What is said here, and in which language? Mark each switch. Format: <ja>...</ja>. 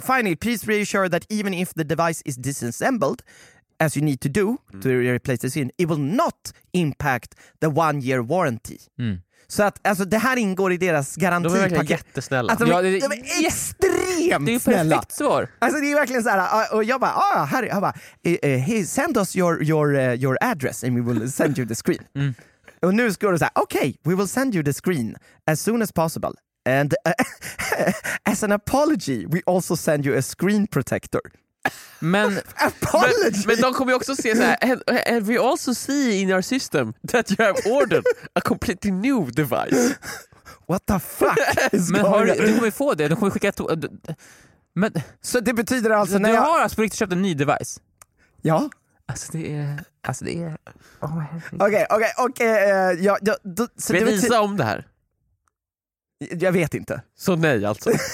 <en>finally, please reassure that even if the device is disassembled, as you need to do to replace the screen, it will not impact the 1-year warranty.</en> <sv>Så att, alltså, det här ingår i deras garanti. De är verkligen jättesnälla. Alltså, de är extremt snälla. Det är ju perfekt svar. Alltså, det är verkligen så här. Och jag bara,</sv> <en>send us your address and we will send you the screen.</en> <sv>Och nu ska du säga,</sv> <en>okay, we will send you the screen as soon as possible. And as an apology, we also send you a screen protector.</en> <sv>Men</sv> <en>apology.</en> <sv>Men de kommer ju också se så här,</sv> <en>we also see in our system that you have ordered a completely new device. What the fuck is</en> <sv>men</sv> <en>going</en> <sv>on? Du kommer ju få det, de kommer skicka ett, men så det betyder alltså när du jag har alltså på riktigt köpt en ny device. Ja. Alltså det är Okej. Vill visa om det här? Jag vet inte. Så nej alltså.</sv>